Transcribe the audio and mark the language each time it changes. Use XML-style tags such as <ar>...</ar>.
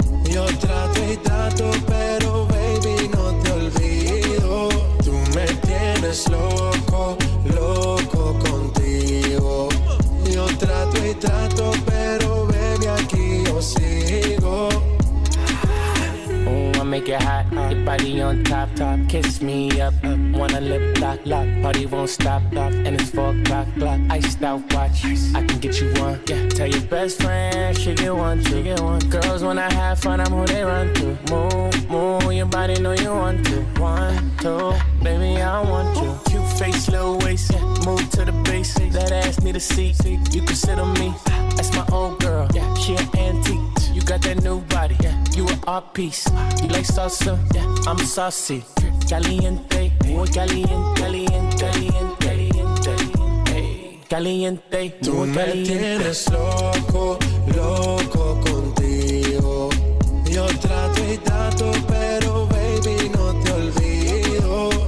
<es>Yo trato y trato, pero baby no te olvido. Tú me tienes loco, loco contigo. Yo trato y trato, pero baby aquí yo sigo.</es> <en>Make it hot, your body on top, top. Kiss me up, wanna lip lock, lock. Party won't stop, lock. And it's 4 o'clock, iced out watch. Ice. I can get you one, yeah. Tell your best friend, she get one, she get one. Girls, when I have fun, I'm who they run to. Move, move, your body know you want to. One, two, baby, I want you. Cute face, little waist, yeah. Move to the bass. That ass need a seat, you can sit on me. That's my old girl, yeah. She an antique. You got that new body, yeah. You are our piece. You like salsa, yeah. I'm saucy.</en> <es>Caliente, muy caliente, caliente, caliente, caliente, caliente. Tú me tienes loco, loco contigo. Yo trato y trato, pero baby no te olvido.</es>